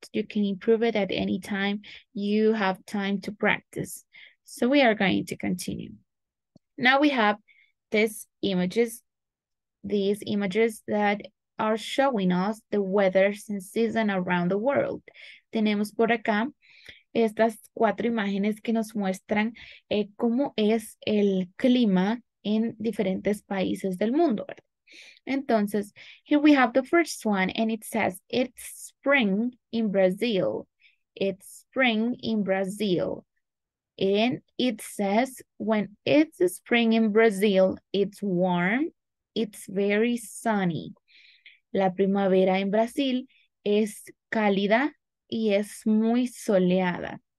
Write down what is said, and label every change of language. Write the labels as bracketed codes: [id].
[en] You can improve it at any time you have time to practice. So we are going to continue. Now we have these images that are showing us the weather and season around the world. [es] Tenemos por acá estas cuatro imágenes que nos muestran cómo es el clima en diferentes países del mundo. [en] Entonces, here we have the first one and it says it's spring in Brazil. It's spring in Brazil. And it says when it's spring in Brazil, it's warm. It's very sunny. [es] La primavera en Brasil es cálida y es muy soleada.